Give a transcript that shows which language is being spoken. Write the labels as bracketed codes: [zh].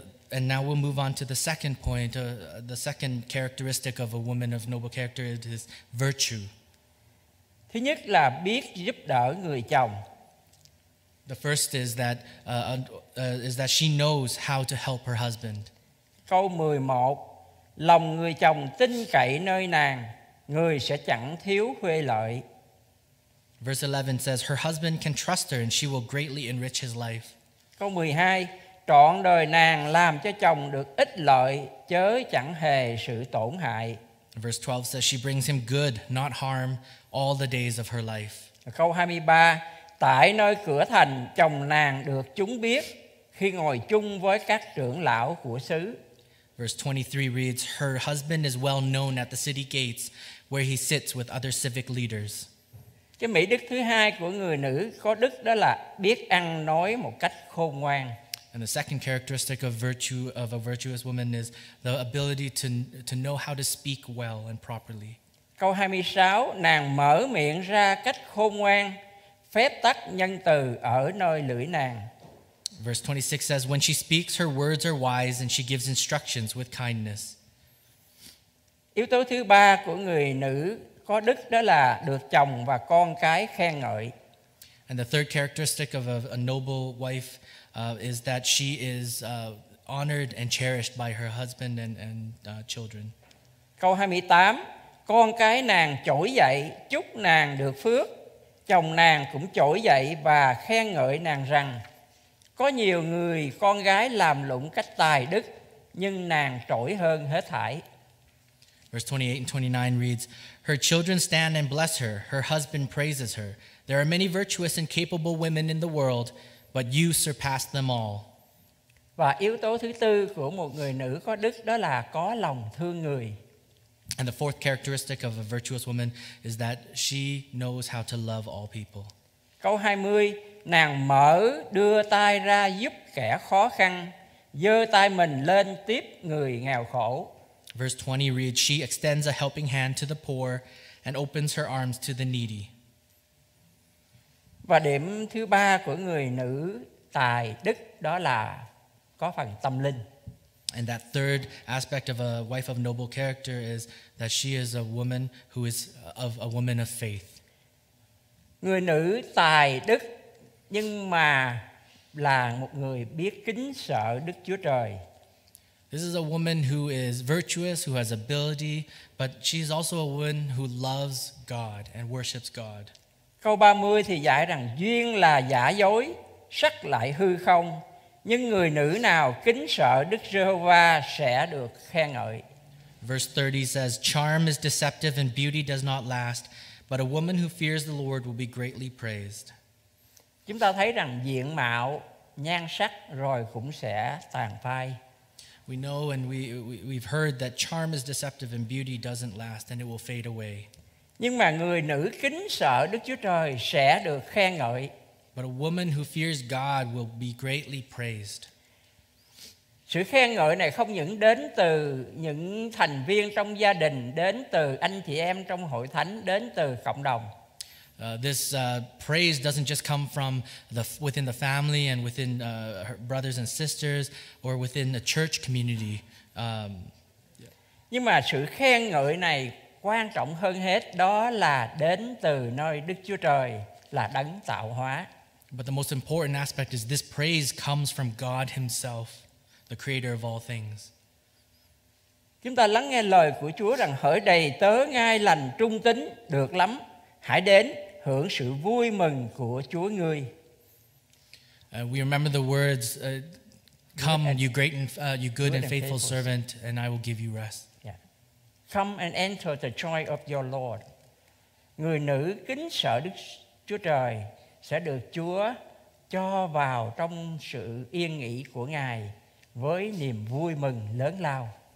[en] And now we'll move on to the second point, the second characteristic of a woman of noble character is virtue. [vi] Thứ nhất là biết giúp đỡ người chồng. [en] The first is that she knows how to help her husband. [vi] Câu 11, lòng người chồng tin cậy nơi nàng, người sẽ chẳng thiếu huê lợi. [en] Verse 11 says, her husband can trust her and she will greatly enrich his life. [vi] Câu 12, trọn đời nàng làm cho chồng được ích lợi, chớ chẳng hề sự tổn hại. [en] Verse 12 says, she brings him good, not harm, all the days of her life. [vi] Câu 23, tại nơi cửa thành, chồng nàng được chúng biết, khi ngồi chung với các trưởng lão của xứ. [en] Verse 23 reads, her husband is well known at the city gates, where he sits with other civic leaders. [vi] Cái mỹ đức thứ hai của người nữ có đức đó là biết ăn nói một cách khôn ngoan. [en] And the second characteristic of virtue of a virtuous woman is the ability to know how to speak well and properly. [vi] Câu 26, nàng mở miệng ra cách khôn ngoan, phép tắc nhân từ ở nơi lưỡi nàng. [en] Verse 26 says, when she speaks, her words are wise and she gives instructions with kindness. [vi] Yếu tố thứ ba của người nữ có đức đó là được chồng và con cái khen ngợi. [en] And the third characteristic of a noble wife is that she is honored and cherished by her husband and children. [vi] Câu 28, con cái nàng trỗi dậy, chúc nàng được phước. Chồng nàng cũng trỗi dậy và khen ngợi nàng rằng, có nhiều người con gái làm lụng cách tài đức, nhưng nàng trỗi hơn hết thảy. [en] Verse 28 and 29 reads, her children stand and bless her. Her husband praises her. There are many virtuous and capable women in the world, but you surpass them all. [vi] Và yếu tố thứ tư của một người nữ có đức đó là có lòng thương người. [en] And the fourth characteristic of a virtuous woman is that she knows how to love all people. [vi] Câu 20, nàng mở đưa tay ra giúp kẻ khó khăn, giơ tay mình lên tiếp người nghèo khổ. [en] Verse 20 reads, she extends a helping hand to the poor and opens her arms to the needy. [vi] Và điểm thứ ba của người nữ tài đức đó là có phần tâm linh. [en] And that third aspect of a wife of noble character is that she is a woman who is of a woman of faith. [vi] Người nữ tài đức nhưng mà là một người biết kính sợ Đức Chúa Trời. [en] This is a woman who is virtuous, who has ability, but she's also a woman who loves God and worships God. [vi] Câu 30 thì dạy rằng duyên là giả dối, sắc lại hư không, nhưng người nữ nào kính sợ Đức Giê-hô-va sẽ được khen ngợi. [en] Verse 30 says, charm is deceptive and beauty does not last, but a woman who fears the Lord will be greatly praised. [vi] Chúng ta thấy rằng diện mạo, nhan sắc rồi cũng sẽ tàn phai. [en] We know and we've heard that charm is deceptive and beauty doesn't last and it will fade away. [vi] Nhưng mà người nữ kính sợ Đức Chúa Trời sẽ được khen ngợi. [en] But a woman who fears God will be greatly praised. [vi] Sự khen ngợi này không những đến từ những thành viên trong gia đình, đến từ anh chị em trong hội thánh, đến từ cộng đồng. [en] This praise doesn't just come from within the family and within her brothers and sisters or within the church community. [vi] Nhưng mà sự khen ngợi này quan trọng hơn hết đó là đến từ nơi Đức Chúa Trời là đấng tạo hóa. [en] But the most important aspect is this praise comes from God himself, the creator of all things. [vi] Chúng ta lắng nghe lời của Chúa rằng hỡi đầy tớ ngay lành trung tín được lắm, hãy đến hưởng sự vui mừng của Chúa ngươi. [en] We remember the words come you good and faithful servant and I will give you rest. Yeah. Come and enter the joy of your Lord. [vi] Người nữ kính sợ Đức Chúa Trời sẽ được Chúa cho vào trong sự yên nghỉ của Ngài với niềm vui mừng lớn lao.